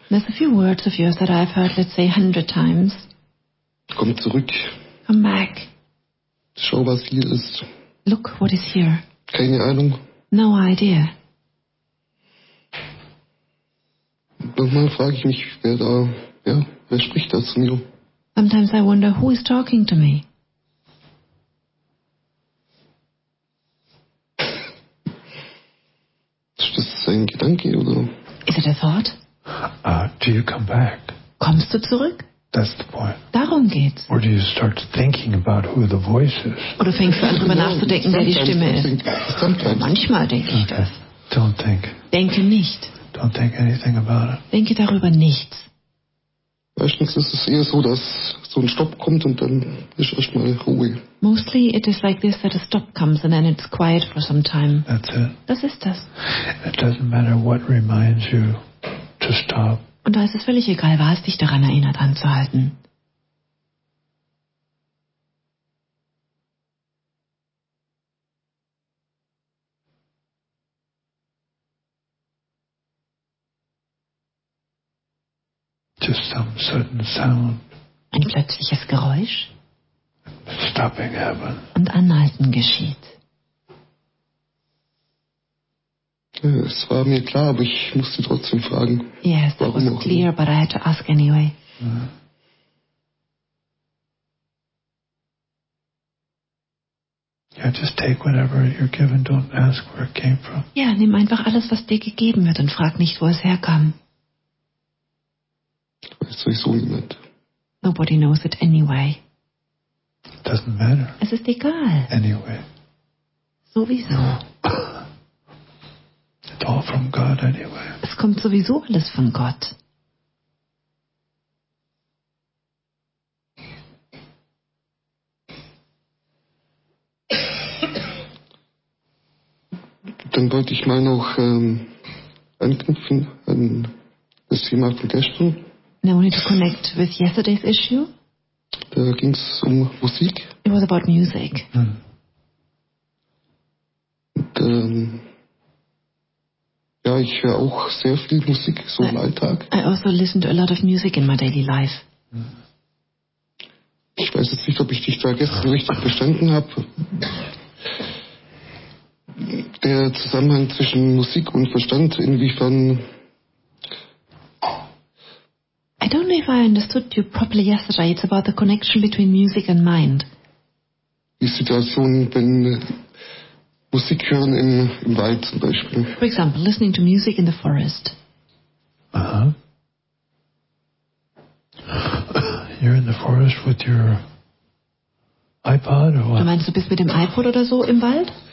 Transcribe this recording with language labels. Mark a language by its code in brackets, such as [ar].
[en] There's a few words of yours that I've heard, let's say 100 times. [de] Komm zurück. [en] Come back. [de] Schau, was hier ist. [en] Look what is here. [de] Keine Ahnung. [en] No idea. [de] Manchmal frage ich mich, wer da, ja, wer spricht da zu mir? [en] Sometimes I wonder who is talking to me. [de] Ist das ein Gedanke oder? [en] Is it a thought? Do you come back? [de] Kommst du zurück? [en] That's the point. [de] Darum geht's. [en] Or do you start thinking about who the voice is? [de] Oder fängst du an darüber nachzudenken, wer die Stimme ist? [en] Sometimes. [de] Manchmal denke ich das. [en] Don't think. [de] Denke nicht. [en] Don't think anything about it. [de] Denke darüber nichts. Meistens ist es eher so, dass so ein Stopp kommt und dann ist erstmal Ruhe. [en] Mostly it is like this, that a stop comes and then it's quiet for some time. That's it. [de] Das ist das. [en] It doesn't matter what reminds you to stop. [de] Und da ist es völlig egal, was dich daran erinnert, anzuhalten. [en] Just some certain sound. [de] Ein plötzliches Geräusch. [en] Stopping happens. [de] Und Anhalten geschieht. Ja, es war mir klar, aber ich musste trotzdem fragen. [en] Yes, that was clear, but I had to ask anyway. Yeah, just take whatever you're given. Don't ask where it came from. [de] Ja, nimm einfach alles, was dir gegeben wird, und frag nicht, wo es herkam. Weiß sowieso niemand. [en] Nobody knows it anyway. Doesn't matter. [de] Es ist egal. [en] Anyway. [de] Sowieso. [en] It's all from God anyway. [de] Es kommt sowieso alles von Gott. Dann wollte ich mal noch anknüpfen an das Thema von gestern. [en] Now we need to connect with yesterday's issue. [de] Da ging's um Musik. [en] It was about music. [de] Und, ja, ich höre auch sehr viel Musik so im Alltag. [en] I also listen to a lot of music in my daily life. [de] Ich weiß jetzt nicht, ob ich dich da gestern richtig verstanden habe. Der Zusammenhang zwischen Musik und Verstand, inwiefern. [en] I don't know if I understood you properly yesterday. It's about the connection between music and mind. [de] Die Situation, wenn Musik hören im Wald zum Beispiel. [en] For example, listening to music in the forest. Uh-huh. You're in the forest with your iPod or what? [de] Du meinst, du bist mit dem iPod oder so im Wald?